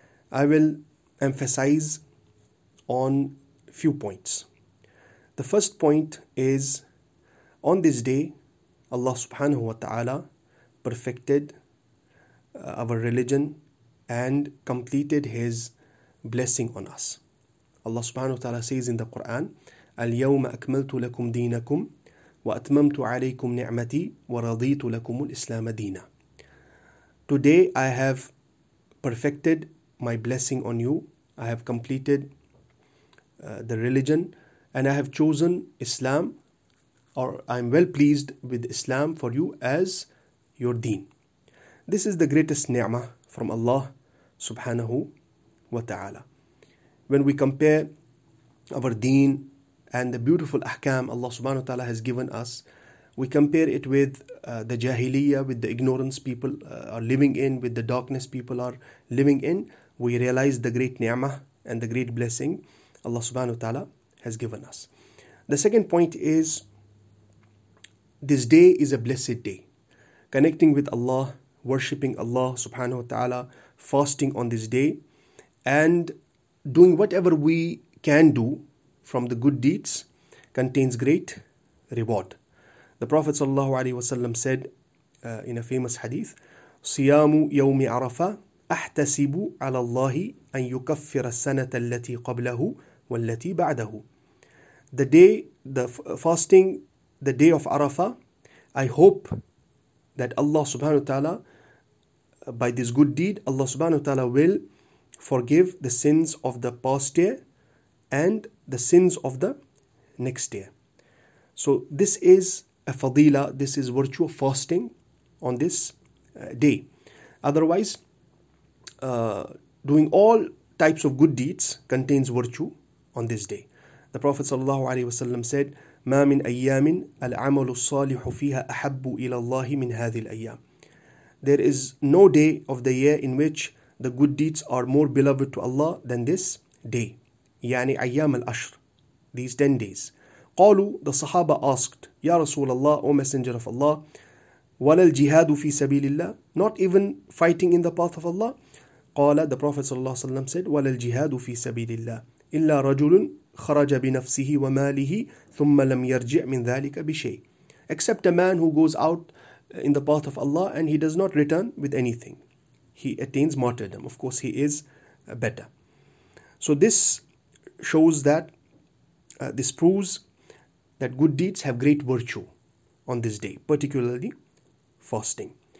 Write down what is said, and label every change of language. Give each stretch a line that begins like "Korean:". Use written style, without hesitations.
English: I will emphasize on few points. The first point is, on this day Allah subhanahu wa ta'ala perfected our religion and completed His blessing on us. Allah subhanahu wa ta'ala says in the Quran,
Arabic: اليوم أكملت لكم دينكم وأتممت عليكم نعمتي ورضيت لكم الإسلام دينا.
English: Today I have perfected my blessing on you. I have completed the religion and I have chosen Islam, or I'm well pleased with Islam for you as your deen. This is the greatest ni'mah from Allah subhanahu wa ta'ala. When we compare our deen and the beautiful ahkam Allah subhanahu wa ta'ala has given us, we compare it with the jahiliyyah, with the ignorance people are living in, with the darkness people are living in, we realize the great ni'mah and the great blessing Allah subhanahu wa ta'ala has given us. The second point is, this day is a blessed day. Connecting with Allah, worshipping Allah subhanahu wa ta'ala, fasting on this day, and doing whatever we can do from the good deeds contains great reward. The Prophet sallallahu alaihi wasallam said in a famous hadith,
Arabic: صيام يوم عرفة أحتسب على الله أن يكفر السنة التي قبله والتي بعده.
English: The day, the fasting, the day of Arafah, I hope that Allah subhanahu wa ta'ala, by this good deed, Allah subhanahu wa ta'ala will forgive the sins of the past year and the sins of the next year. So this is a fadila, this is virtue of fasting on this day. Otherwise, doing all types of good deeds contains virtue on this day. The Prophet sallallahu alaihi wasallam said,
Arabic: مَا مِنْ أَيَّامٍ الْعَمَلُ الصَّالِحُ فِيهَا أَحَبُّ إِلَى اللَّهِ مِنْ هَذِي الْأَيَّامِ.
English: There is no day of the year in which the good deeds are more beloved to Allah than this day.
Arabic: يعني أيام الأشر,
English: these 10 days.
Arabic: قالوا,
English: the Sahaba asked,
Arabic: يا رسول الله,
English: O Messenger of Allah,
Arabic: ولا الجهاد في سبيل الله,
English: not even fighting in the path of Allah.
Arabic: قال,
English: the Prophet
Arabic: صلى الله عليه وسلم
English: said,
Arabic: ولا الجهاد في سبيل الله, إلا رجل خرج بنفسه وماله ثم لم يرجع من ذلك بشيء.
English: Except a man who goes out in the path of Allah and he does not return with anything. He attains martyrdom. Of course, he is better. So this shows that, this proves that good deeds have great virtue on this day, particularly fasting.